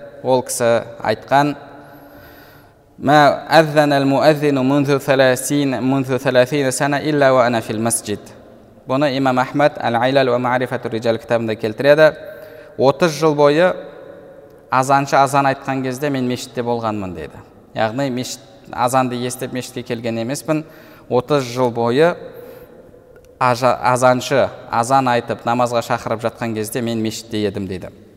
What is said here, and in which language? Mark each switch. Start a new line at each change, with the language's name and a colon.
Kazakh: Ол кісі айтқан:
Arabic: "Ма азана аль-муаззину мунзу 30 сана илля ва ана фил масджид".
Kazakh: Бұны Имам Ахмад Аль-Айлал ва Маарифатур Рижал кітабында келтіреді. 30 жыл бойы азаншы азан айтқан кезде мен мешітте болғанмын деді. Яғни мешіт азанды естіп мешітке келген емеспін. 30 жыл бойы азаншы азан айтып намазға шақырып жатқан кезде мен мешітте едім дейді.